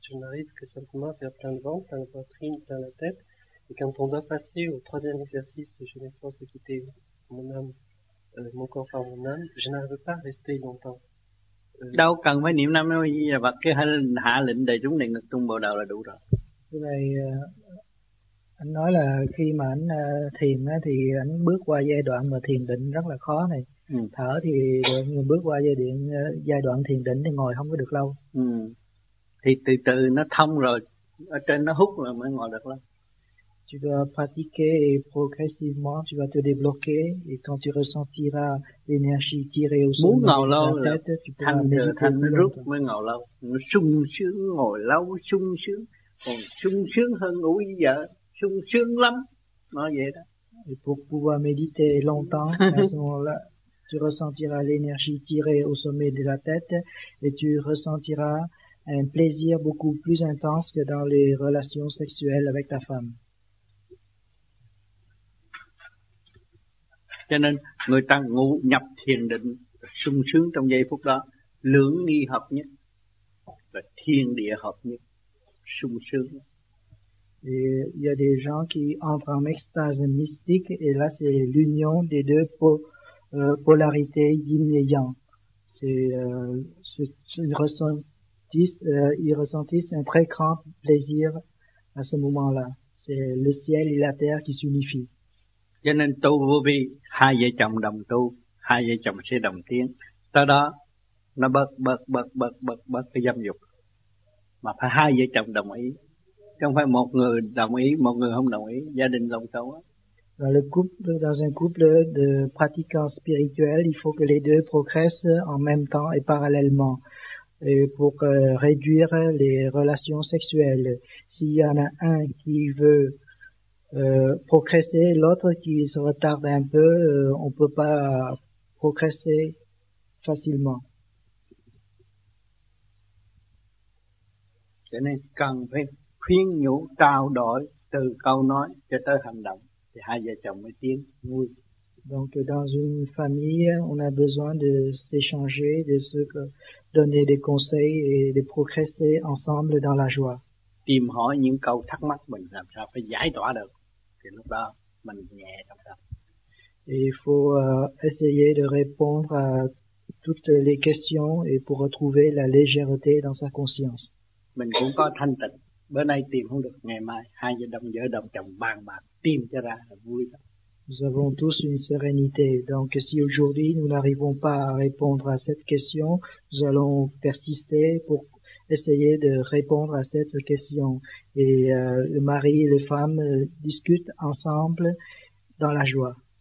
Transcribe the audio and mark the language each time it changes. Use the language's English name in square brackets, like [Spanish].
[French] Je n'arrive que simplement à faire plein de vent, plein de poitrine, plein de la tête. Et quand on doit passer au troisième exercice, je m'efforce de quitter mon âme, mon corps par mon âme, je n'arrive pas à rester longtemps. [Vietnamese] Đâu cần phải niệm Nam Mô A Di Phật, cái hạ lệnh đầy chúng này ngực tung bồ đào là đủ rồi. Cái này, anh nói là khi mà anh thiền thì anh bước qua giai đoạn mà thiền định rất là khó này. Thở thì bước qua giai đoạn thiền định thì ngồi không có được lâu. Thì từ từ nó thông rồi, ở trên nó hút rồi mới ngồi được lâu. [French] Tu dois pratiquer et progressivement tu vas te débloquer et quand tu ressentiras l'énergie tirée au sommet de la tête, tu pourras méditer longtemps. [Vietnamese] Mới ngồi lâu, sung sướng ngồi lâu, sung sướng, còn sung sướng hơn ngủ với vợ, sung sướng lắm, nói vậy đó. [French] Et pour pouvoir méditer longtemps, à ce moment-là, tu ressentiras l'énergie tirée au sommet de la tête et tu ressentiras un plaisir beaucoup plus intense que dans les relations sexuelles avec ta femme. [Vietnamese] Cho nên người ta ngủ nhập thiền định sung sướng trong giây phút đó, lưỡng nghi hợp nhất và thiên địa hợp nhất sung sướng. [French] Et il y a des gens qui entrent en extase mystique et là c'est l'union des deux polarités yin et yang. Ils ressentissent un très grand plaisir à ce moment-là. C'est le ciel et la terre qui s'unifient. [Vietnamese] Cho nên tu vô vi, hai vợ chồng đồng tu, hai vợ chồng sẽ đồng tiến. Tới đó nó bớt cái dâm dục. Mà phải hai vợ chồng đồng ý, không phải một người đồng ý, một người không đồng ý, gia đình lộn xộn. [French] Dans le couple, dans un couple de pratiquants spirituels, il faut que les deux progressent en même temps et parallèlement et pour réduire les relations sexuelles. S'il y en a un qui veut progresser, l'autre qui se retarde un peu, on peut pas progresser facilement. [Vietnamese] Cho nên cần phải khuyên nhủ trao đổi từ câu nói cho tới hành động. Thì hai vợ chồng mới tiến vui. [French] Donc dans une famille, on a besoin de s'échanger, de se donner des conseils et de progresser ensemble dans la joie. [Vietnamese] Tìm hỏi những câu thắc mắc mình làm sao phải giải tỏa được, thì lúc đó mình nhẹ trong tâm. [French] Et il faut essayer de répondre à toutes les questions et pour retrouver la légèreté dans sa conscience. [Vietnamese] Mình cũng có thanh tịnh. Bữa nay tìm không được, ngày mai hai vợ đồng chồng bàn bạc tìm cho ra là vui lắm. [French] Nous avons tous une sérénité. Donc si aujourd'hui nous n'arrivons pas à répondre à cette question, nous allons persister pour essayer de répondre à cette question. Et le mari et les femmes discutent ensemble dans la joie.